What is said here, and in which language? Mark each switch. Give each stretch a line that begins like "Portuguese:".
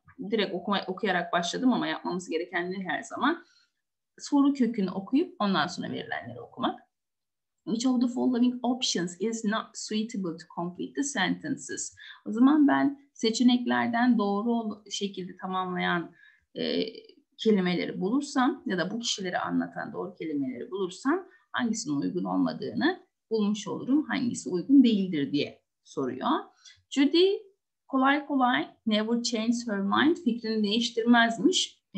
Turkish: Direkt okuyarak başladım ama yapmamız gerekenleri her zaman. Soru kökünü okuyup ondan sonra verilenleri okumak.
English: Which of the following options is not suitable to complete the sentences?
Turkish: O zaman ben seçeneklerden doğru şekilde tamamlayan kelimeleri bulursam ya da bu kişileri anlatan doğru kelimeleri bulursam hangisinin uygun olmadığını bulmuş olurum. Hangisi uygun değildir diye soruyor. Judy kolay kolay
English: never changes her mind,
Turkish: fikrini değiştirmezmiş.